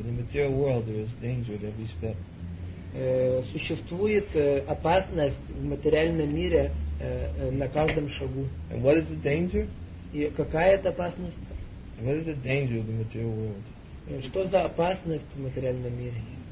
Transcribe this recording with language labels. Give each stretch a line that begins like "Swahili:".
English: In the material world there is danger at every step.
Russian: Существует опасность в материальном мире на каждом шагу.
English: And what is the danger?
Russian: И какая это опасность?
English: What is the danger of the material world?
Russian: Что за опасность в материальном мире?